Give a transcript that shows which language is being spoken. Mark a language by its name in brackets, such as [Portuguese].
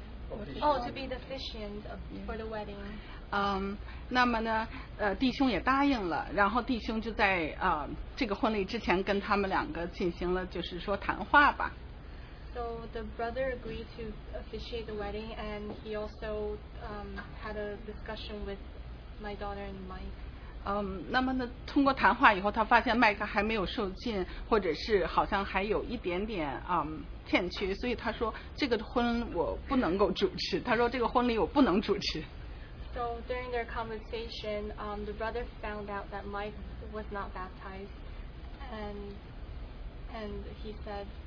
[English] officiant. To be the officiant for the wedding. [Chinese] 那么呢，弟兄也答应了，然后弟兄就在这个婚礼之前跟他们两个进行了就是说谈话吧。 [English] So the brother agreed to officiate the wedding, and he also had a discussion with my daughter and Mike. [Chinese] 那么呢，通过谈话以后，他发现麦克还没有受浸，或者是好像还有一点点欠缺，所以他说这个婚我不能够主持。他说这个婚礼我不能主持。 [English] So during their conversation, the brother found out that Mike was not baptized, and he said.